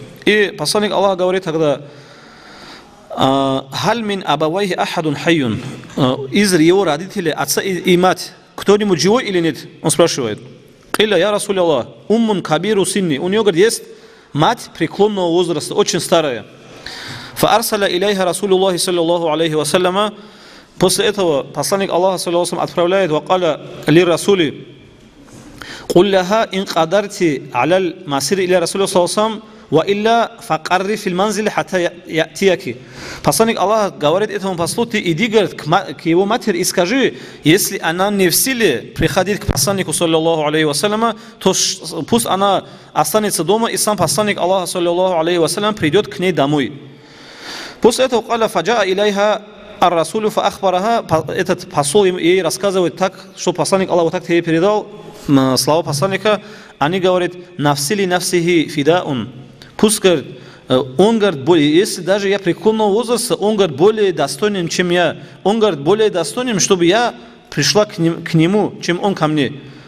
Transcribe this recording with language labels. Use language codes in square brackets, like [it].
[ru] И посланник Аллаха говорит тогда, [ar] «Халь мин абавайхи ахадун хайюн». [ru] Из его родителей, отца и мать, кто-нибудь живой или нет? Он спрашивает. [ar] «Илля я Расуль Аллах, уммун кабиру синни». [ru] У него, говорит, есть мать преклонного возраста, очень старая. [ar] فَأَرْسَلَ إِلَيْهَا رَسُولُ اللَّهِ صَلَّى اللَّهُ عَلَيْهِ وَسَلَّمَ. [ru] После этого посланник Аллаха, саллиллаху алейхи вассалям, отправляет [ar] وَقَالَ لِلرَّسُولِ قُلْ لَهَا إِنْ قَدَرْتِ عَلَى الْمَسِيرِ إِلَى رَسُولِ اللَّهِ صَلَّى اللَّهُ عَلَيْهِ وَسَلَّمَ وإلا فقرر في المنزل حتى يأتيك. فصانك الله [ru] говорит этому послу, ты иди, говорит, к его матери и скажи, если она не в силе приходить к посланнику, саллиллаху алейхи вассалям, то пусть она останется дома, и сам посланник Аллаха, саллиллаху алейхи вассалям, придет к ней домой. После этого [ar] قال فجاء إليها الرسول فأخبرها, [ru] этот посол ей рассказывает так, что посланник Аллаха так тебе передал слова посланника, они говорят, [ar] нафси ли нафсихи фидаун, [ru] пусть, говорит, он, говорит, более, если даже я преклонного возраста, он, говорит, более достойным, чем я, он, говорит, более достойным, чтобы я пришла к нему, чем он ко мне.